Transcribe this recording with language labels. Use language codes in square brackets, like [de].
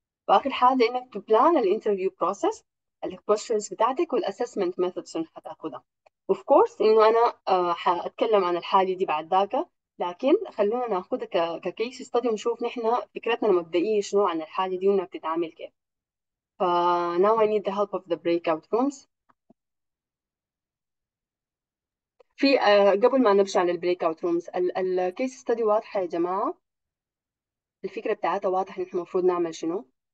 [ar] وآخر حاجة إنك تبلان الانترفيو بروسيس، الكويشنز بتاعتك والاسسمنت ميثودز اللي حتاخدها. اوف كورس إنه أنا حأتكلم عن الحالة دي بعد ذاك، لكن خلونا ناخدها ككيس ستادي ونشوف نحن فكرتنا المبدئية شنو عن الحالة دي وإنها بتتعامل كيف. [en] ف now I need the help of the breakout rooms. [ar] في قبل ما نمشي على البريك اوت رومز، الكيس ستادي واضحة يا جماعة؟ الفكرة بتاعتها واضحة ان احنا المفروض نعمل شنو؟